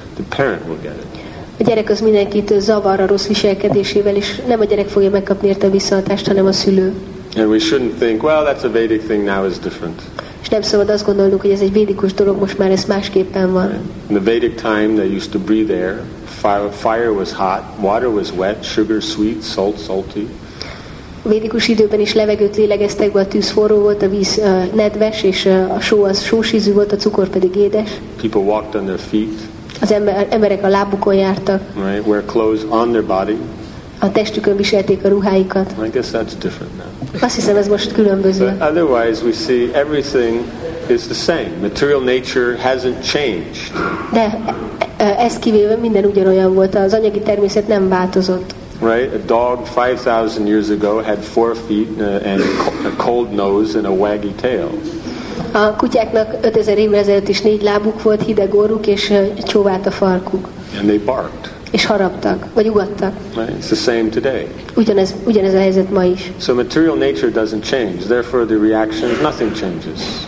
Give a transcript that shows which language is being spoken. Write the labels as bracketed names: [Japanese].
[English] The parent will get it. [Hungarian] A gyerek az mindenkit zavar a rossz viselkedésével, és nem a gyerek fogja megkapni érte a visszahatást, hanem a szülő. [English] And we shouldn't think, well, that's a Vedic thing, now is different. [Hungarian] És nem szabad azt gondolnunk, hogy ez egy védikus dolog, most már ez másképpen van. [English] In the Vedic time, they used to breathe air. Fire was hot, water was wet, sugar sweet, salt salty. [Hungarian] Védikus időben is levegőt lélegeztek be, a tűz forró volt, a víz nedves, és a só az sósízű volt, a cukor pedig édes. [English] People walked on their feet. [Hungarian] Az emberek a lábukon jártak. [English] Right, wear clothes on their body. [Hungarian] A testükön viselték a ruháikat. [English] I guess that's different now. [Hungarian] Azt hiszem, ez most különböző. [English] But otherwise, we see everything is the same. Material nature hasn't changed. [Hungarian] De ezt kivéve minden ugyanolyan volt. Az anyagi természet nem változott. [English] Right, a dog 5,000 years ago had 4 feet and a cold nose and a waggy tail. [Hungarian] A kutyáknak 5000 évvel ezelőtt is 4 lábuk volt, hideg orruk és csóvált a farkuk. [English] And they barked. [Hungarian] És haraptak, vagy ugattak. [English] Right, it's the same today. [Hungarian] Ugyanez a helyzet ma is. [English] So material nature doesn't change, therefore the reaction, nothing changes.